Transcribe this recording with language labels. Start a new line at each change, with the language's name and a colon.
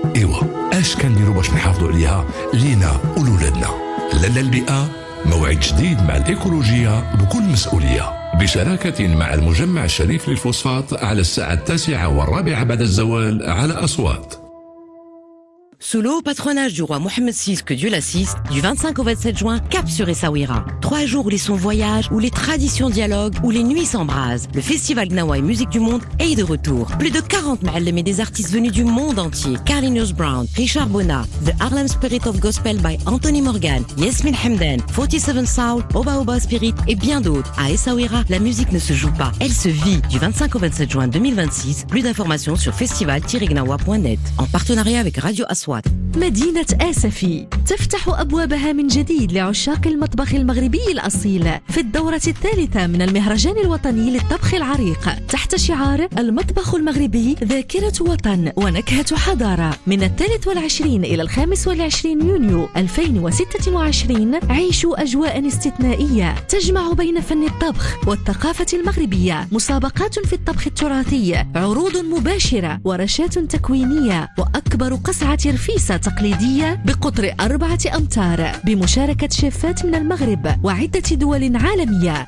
Arabic: إيوا أش كان ديرو باش نحافظوا عليها لينا ولولادنا؟ لالا البيئة، موعد جديد مع الإيكولوجيا بكل مسؤولية، بشراكة مع المجمع الشريف للفوسفات على 9:45 بعد الزوال على أصوات.
French: Sous le haut patronage du roi Mohamed VI, que Dieu l'assiste, du 25 au 27 juin, cap sur Essaouira. 3 jours où les sons voyagent, où les traditions dialoguent, où les nuits s'embrasent. Le festival Gnawa et Musique du Monde est de retour. Plus de 40 maalemes et des artistes venus du monde entier. Carlinhos Brown, Richard Bonat, The Harlem Spirit of Gospel by Anthony Morgan, Yasmin Hemden, 47 Soul, Oba Oba Spirit et bien d'autres. À Essaouira, la musique ne se joue pas, elle se vit. Du 25 au 27 juin 2026, plus d'informations sur festival-gnawa.net. En partenariat avec Radio Aswa.
Arabic: مدينة آسفي تفتح أبوابها من جديد لعشاق المطبخ المغربي الأصيل في الدورة 3 من المهرجان الوطني للطبخ العريق تحت شعار المطبخ المغربي ذاكرة وطن ونكهة حضارة. من 23 إلى 25 يونيو 2026 عيشوا أجواء استثنائية تجمع بين فن الطبخ والثقافة المغربية، مسابقات في الطبخ التراثي، عروض مباشرة، ورشات تكوينية، وأكبر قصعة رفيسة تقليدية بقطر 4 أمتار بمشاركة شيفات من المغرب وعدة دول عالمية.